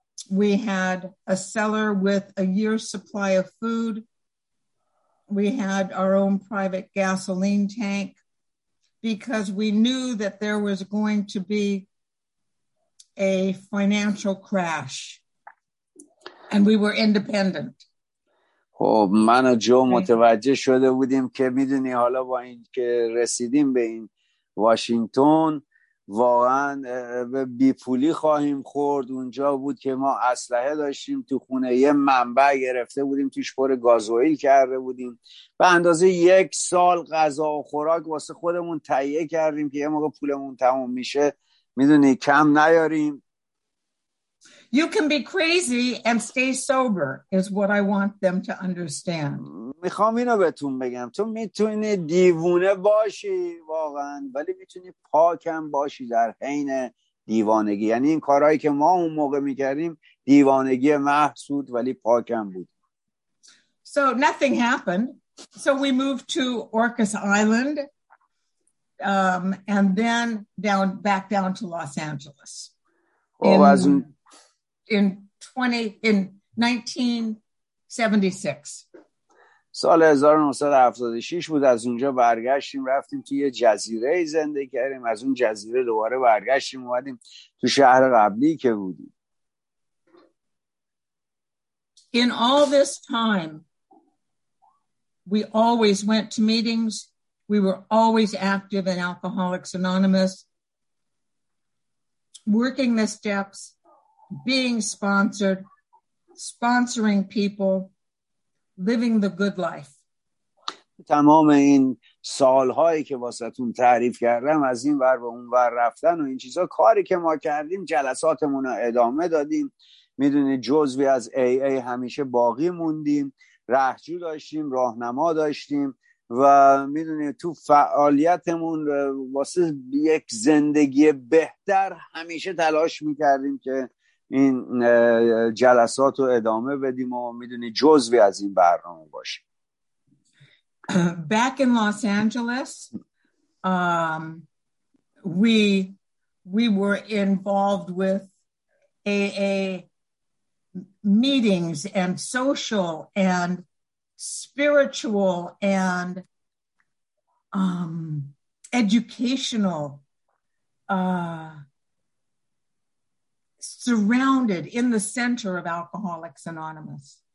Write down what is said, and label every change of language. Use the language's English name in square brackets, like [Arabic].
[English] We had a cellar with a year's supply of food. We had our own private gasoline tank because we knew that there was going to be a financial crash and we were independent. [Persian] خب من و جو متوجه شده بودیم که میدونی حالا با این که رسیدیم به این واشنگتن واقعا به بیپولی خواهیم خورد. اونجا بود که ما اسلحه داشتیم تو خونه، یه منبع گرفته بودیم توش پر گازوئیل کرده بودیم، به اندازه یک سال غذا و خوراک واسه خودمون تهیه کردیم که یه موقع پولمون تموم میشه میدونی کم نیاریم. [English] You can be crazy and stay sober is what I want them to understand. [Persian] میخوام اینو بهتون بگم، تو میتونی دیوونه باشی واقعا، ولی میتونی پاکم باشی در عین دیوانگی. یعنی این کارهایی که ما اون موقع میکردیم دیوانگی محسود ولی پاکم بود. [English] So nothing happened. So we moved to Orcas Island. and then down back down to Los Angeles. خب in 1976. [Persian] سال 1976 بود، از اونجا برگشتیم، رفتیم توی یه جزیره زندگی کردیم، از اون جزیره دوباره برگشتیم اومدیم تو شهر قبلی که بودیم. [English] In all this time we always went to meetings, we were always active in Alcoholics Anonymous, working the steps, being sponsored, sponsoring people, living the good life. [Persian] تمام این سالهایی که واسهتون تعریف کردم، از این ور به اون ور رفتن و این چیزا، کاری که ما کردیم، جلساتمون رو ادامه دادیم، میدونید جزوی از AA همیشه باقی موندیم، راهجو داشتیم، راهنما داشتیم و میدونید تو فعالیتمون واسه یک زندگی بهتر همیشه تلاش میکردیم که این جلسات رو ادامه بدیم و میدونی جزوی از این برنامه باشیم. [English] Back in Los Angeles we were involved with AA meetings and social and spiritual and educational surrounded in the center of Alcoholics Anonymous.